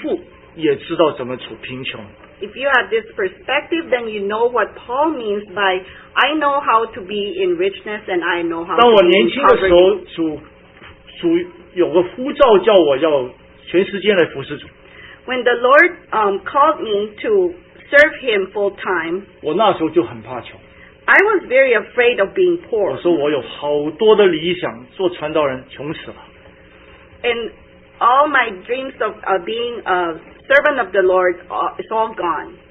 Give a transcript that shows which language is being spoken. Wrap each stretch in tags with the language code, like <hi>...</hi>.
<zh>你有这个观念，你就知道保罗讲的，我知道怎么处丰富，也知道怎么处贫穷。</zh> <en>If you have this perspective, then you know what Paul means by I know how to be in richness and I know how to be in poverty.</en> <zh>当我年轻的时候，主有个呼召叫我要全时间来服侍主。</zh> <en>When the Lord called me to serve Him full time,</en> <zh>我那时候就很怕穷。</zh> <en>I was very afraid of being poor.</en> <zh>我说我有好多的理想，做传道人穷死了。</zh> <en>And all my dreams of being a servant of the Lord, it's all gone.</en>